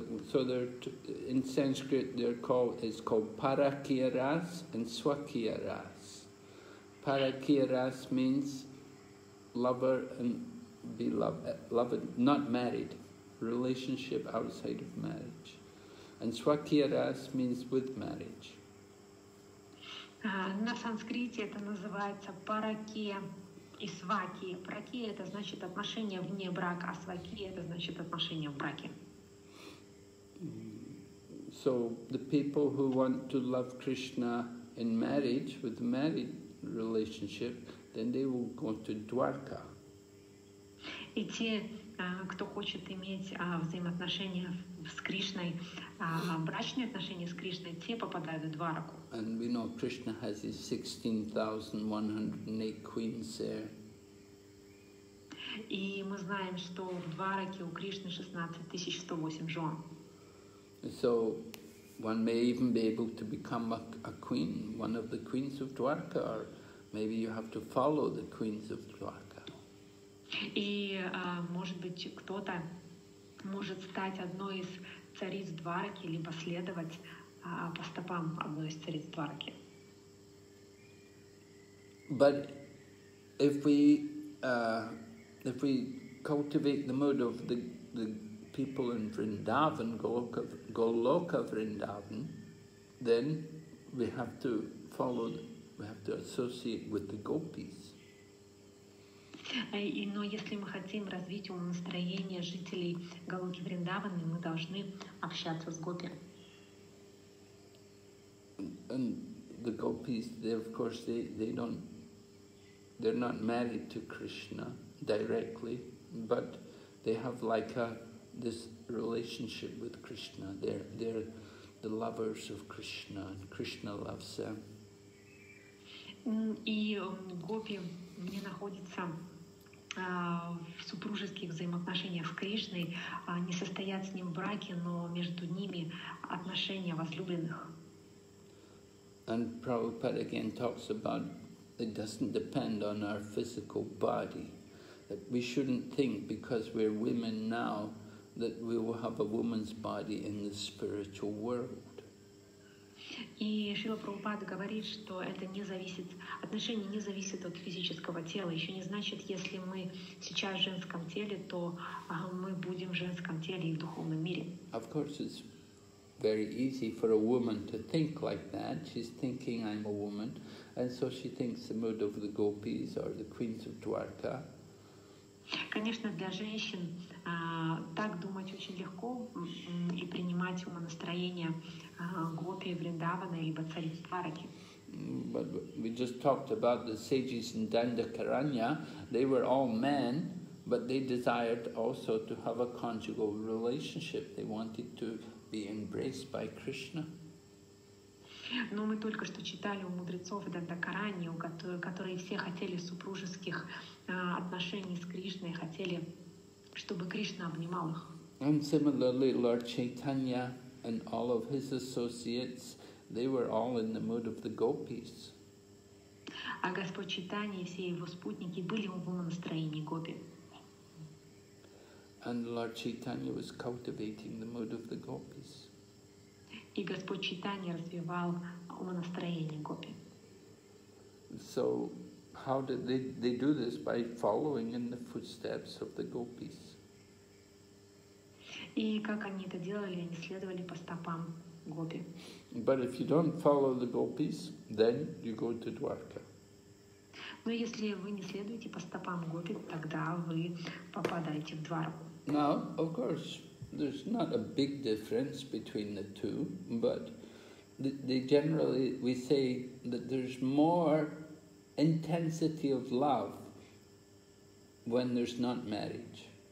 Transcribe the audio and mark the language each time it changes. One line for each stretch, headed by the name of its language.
English: So there, in Sanskrit, they're called is called parakya ras and swakya ras. Parakya ras means lover and beloved, not married, relationship outside of marriage, and swakya ras means with marriage.
Russian: На санскрите это называется паракия и свакия. Паракия это значит отношения вне брака, а свакия это значит отношения в браке.
English: So the people who want to love Krishna in marriage, with married relationship, then they will go to Dwarka.
Russian: И те, кто хочет иметь взаимоотношения с Кришной, брачные отношения с Кришной, те попадают в Двараку.
English: And we know Krishna has his 16,108 queens there.
Russian: И мы знаем, что в Двараке у Кришны 16,108 жен.
English: So one may even be able to become a queen, one of the queens of Dwarka, or maybe you have to follow the queens of Dwarka.
Russian: И может быть кто-то может стать одной из цариц Двараки, либо следовать по стопам одной из цариц Двараки.
English: But if we cultivate the mood of the people in Vrindavan, Goloka Vrindavan, then we have to follow, we have to associate with the gopis.
Russian: Но если мы хотим развить ум настроение жителей Голоки Вриндаваны, мы должны общаться с гопи.
English: And the gopis, they're not married to Krishna directly, but they have like a this relationship with Krishna. They're the lovers of Krishna, and Krishna loves them.
Russian: И гопи не находятся в супружеских взаимоотношениях с Кришной, не состоят с ним в браке, но между ними отношения возлюбленных.
English: And Prabhupada again talks about it doesn't depend on our physical body. That we shouldn't think because we're women now that we will have a woman's body in the spiritual world.
Russian: И Шрила Прабхупада говорит, что это не зависит, отношения не зависят от физического тела. Еще не значит, если мы сейчас в женском теле, то мы будем в женском теле и в духовном мире.
English: Of course, it's very easy for a woman to think like that. She's thinking, I'm a woman. And so she thinks the mood of the gopis or the queens of Dwarka.
Russian: Конечно, для женщин так думать очень легко и принимать умонастроение гопи, Вриндавана, либо цариц Двараки.
English: But we just talked about the sages in Dandakaranya. They were all men, but they desired also to have a conjugal relationship. They wanted to be embraced by Krishna.
Russian: Но мы только что читали у мудрецов Дандакарани, которые все хотели супружеских отношений с Кришной, хотели, чтобы Кришна обнимал их.
English: And similarly, Lord Chaitanya and all of his associates, they were all in the mood of the gopis.
Russian: А Господь Чайтанья и все его спутники были в настроении гопи.
English: And Lord Chaitanya was cultivating the mood of the gopis.
Russian: И Господь Чайтанья развивал умонастроение гопи.
English: So, how did they do this? By following in the footsteps of the gopis.
Russian: И как они это делали? Они следовали по стопам гопи.
English: But if you don't follow the gopis, then you go to Dwarka.
Russian: Но если вы не следуете по стопам гопи, тогда вы попадаете в Дварку.
English: Now, of course, there's not a big difference between the two, but they generally, we say that there's more intensity of love when there's not marriage.